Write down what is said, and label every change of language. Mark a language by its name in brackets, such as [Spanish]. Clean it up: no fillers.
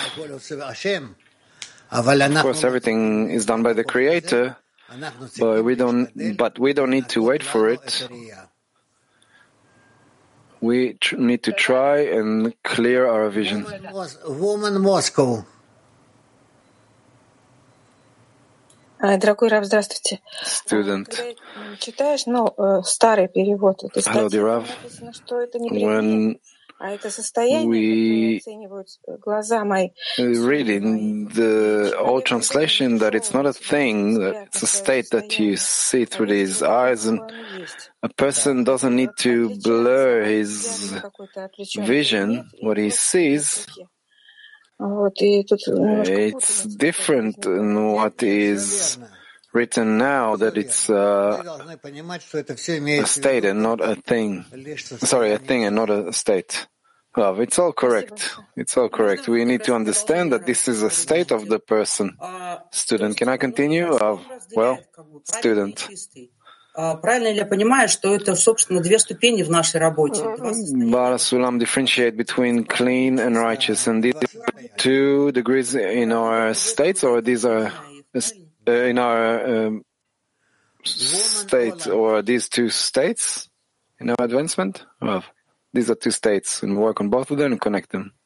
[English] Of course, everything is done by the Creator, but we don't need to wait for it. We need to try and clear our vision. Woman Moscow. [Russian] Дорогой Рав, здравствуйте. [English] Student. [Russian] Читаешь, ну, старый перевод. [English] Hello, dear Rav. We read in the old translation that it's not a thing, that it's a state that you see through these eyes, and a person doesn't need to blur his vision, what he sees. It's different than what is written now, that it's a state and not a thing. Sorry, a thing and not a state. Well, it's all correct. It's all correct. We need to understand that this is a state of the person. Student, can I continue? Well, student. [Russian] Правильно ли я понимаю, что это, собственно, две ступени в нашей работе? [English] Baal HaSulam differentiate between clean and righteous. And these are two degrees in our states, or these are in our state, or these two states in our advancement? Well, these are two states, and work on both of them and connect them.